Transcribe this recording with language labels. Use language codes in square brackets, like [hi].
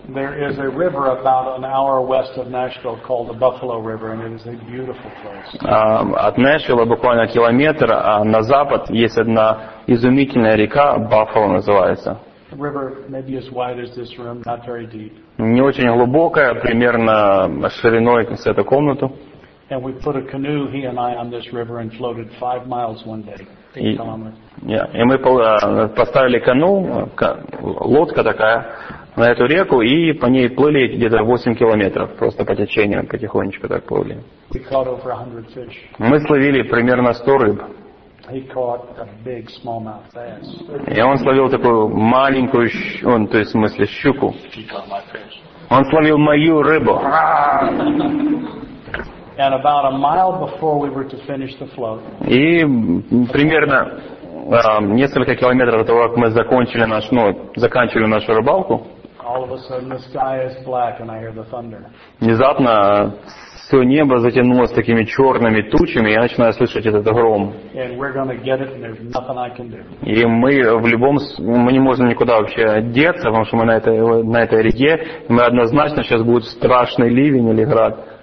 [en] There is a river about an hour west of Nashville called the Buffalo River, and it is a beautiful place. [ru] От Нэшвилла буквально километр на запад есть одна изумительная река, Баффало называется. [en] The river maybe as wide as this room, not very deep. [ru] Не очень глубокая, примерно шириной с эту комнату. [en] And we put a canoe, he and I, on this river and floated 5 miles one day, 8 kilometers. Yeah. [ru] И мы поставили кану, лодка такая, на эту реку и по ней плыли где-то 8 километров, просто по течению потихонечку так плыли. [en] We caught over 100 fish. [ru] Мы словили примерно 100 рыб. [en] He caught a big smallmouth bass. [ru] И он словил такую маленькую, то есть в смысле щуку. Он словил мою рыбу. [en] And about a mile before we were to finish the float. [ru] И примерно несколько километров до того, как мы заканчивали нашу рыбалку. [en] All of a sudden, the sky is black, and I hear the thunder. [ru] Внезапно все небо затянулось такими черными тучами, и я начинаю слышать этот гром. И мы не можем никуда вообще деться, потому что мы на этой реке, и мы однозначно сейчас будет страшный ливень или град.